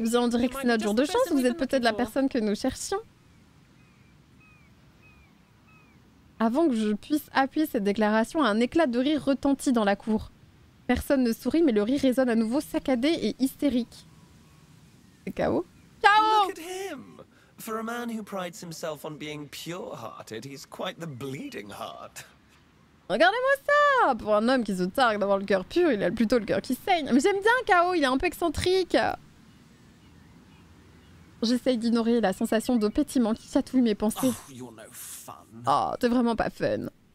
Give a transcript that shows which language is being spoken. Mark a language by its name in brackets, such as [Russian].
[French] bien, on dirait que c'est notre jour de chance, vous êtes peut-être la personne que nous cherchions. Avant que je puisse appuyer cette déclaration, un éclat de rire retentit dans la cour. Personne ne sourit, mais le rire résonne à nouveau saccadé et hystérique. C'est KO ? KO ! [English] For a man who prides himself on being pure-hearted, he's quite the bleeding heart. [French] Regardez-moi ça! Pour un homme qui se targue d'avoir le cœur pur, il a plutôt le cœur qui saigne. Mais j'aime bien KO, il est un peu excentrique. J'essaye d'ignorer la sensation de pétiment qui chatouille mes pensées. Oh, t'es vraiment pas fun.